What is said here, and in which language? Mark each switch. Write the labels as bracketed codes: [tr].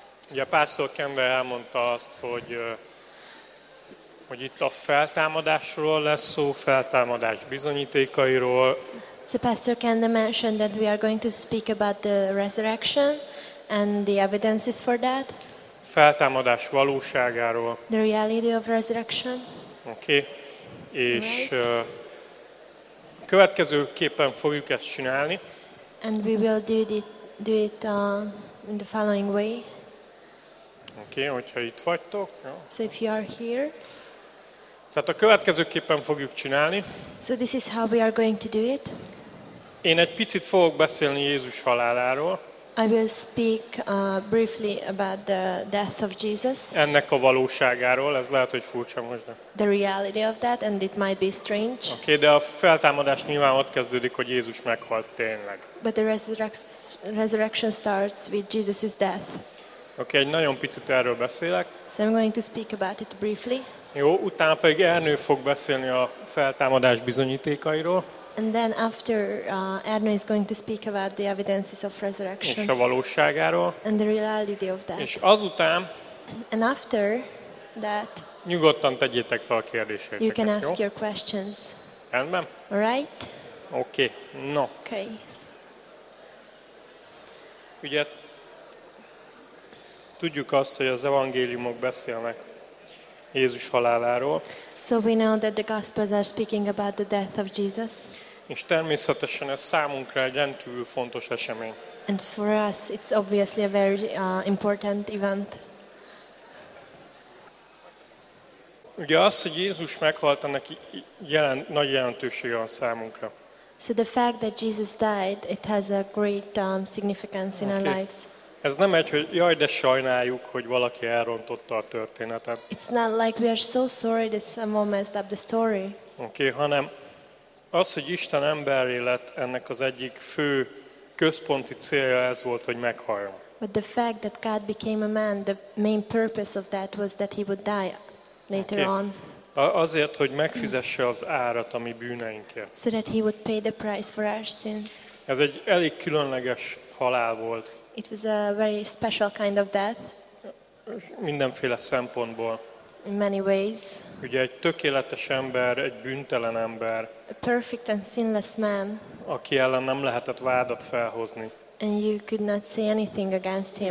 [hu] Ugye Pásztor Kembe elmondta azt, hogy itt a feltámadásról lesz szó, feltámadás bizonyítékairól. [en] So Pastor Kende mentioned that we are going to speak about the resurrection and the evidences for that. [hu] Feltámadás valóságáról. [en] The reality of resurrection. Okay. [hu] És következőképpen fogjuk ezt csinálni. [en] And we will do it in the following way. [hu] Okay, hogyha itt vagytok. Jó. [en] So if you are here. [hu] Tehát a következőképpen fogjuk csinálni. [en] So this is how we are going to do it. [hu] Én egy picit fogok beszélni Jézus haláláról. I will speak briefly about the death of Jesus. Ennek a valóságáról, ez lehet, hogy furcsa most. De. [en] The reality of that, and it might be strange. [hu] Oké, okay, de a feltámadás nyilván ott kezdődik, hogy Jézus meghalt tényleg. [en] But the resurrection starts with Jesus' death. [hu] Oké, okay, egy nagyon picit erről beszélek. [en] So I'm going to speak about it briefly. [hu] Jó, utána pedig Ernő fog beszélni a feltámadás bizonyítékairól. [en] And then after Erno is going to speak about the evidences of resurrection. [hu] És a valóságáról. [en] And the reality of that. [hu] És azután. [en] And after that. [hu] Nyugodtan tegyétek fel a kérdéseket. [en] You can ask your questions. [hu] Rendben? [en] All right. Okay. No. Okay. [hu] Ugye tudjuk azt, hogy az evangéliumok beszélnek Jézus haláláról. [en] So we know that the Gospels are speaking about the death of Jesus. [hu] És természetesen ez számunkra egy rendkívül fontos esemény. [en] And for us, it's obviously a very important event. [hu] Ugye az, hogy Jézus meghalt, ennek nagy jelentősége van számunkra. [en] So the fact that Jesus died, it has a great significance in our lives. [hu] Ez nem egy, hogy jaj, de sajnáljuk, hogy valaki elrontotta a történetet. [en] It's not like we are so sorry that someone messed up the story. [hu] Okay, hanem az, hogy Isten emberré lett, ennek az egyik fő központi célja ez volt, hogy meghaljon. [en] But the fact that God became a man, the main purpose of that was that he would die later on. [hu] Azért, hogy megfizesse az árat a mi bűneinkért. [en] So that he would pay the price for our sins. [hu] Ez egy elég különleges halál volt. [en] It was a very special kind of death. [hu] Mindenféle szempontból. [en] In many ways. [hu] Ugye egy tökéletes ember, egy bűntelen ember. [en] A perfect and sinless man. [hu] Aki ellen nem lehetett vádat felhozni. [en] And you could not say anything against him.